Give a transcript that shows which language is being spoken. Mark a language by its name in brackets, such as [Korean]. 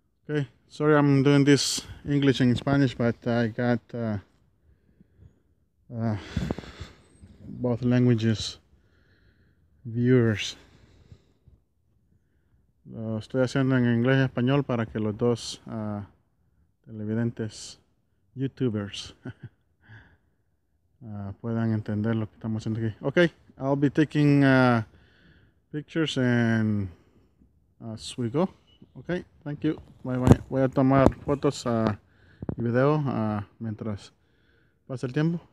[English] Okay, sorry I'm doing this English and Spanish, but I got both languages viewers. [Spanish] Lo estoy haciendo en inglés y español para que los dos televidentes youtubers puedan entender lo que estamos haciendo aquí. [English] Okay, I'll be taking pictures and as we go. Okay, thank you. Bye bye. [Spanish] Voy a tomar fotos y video mientras pasa el tiempo.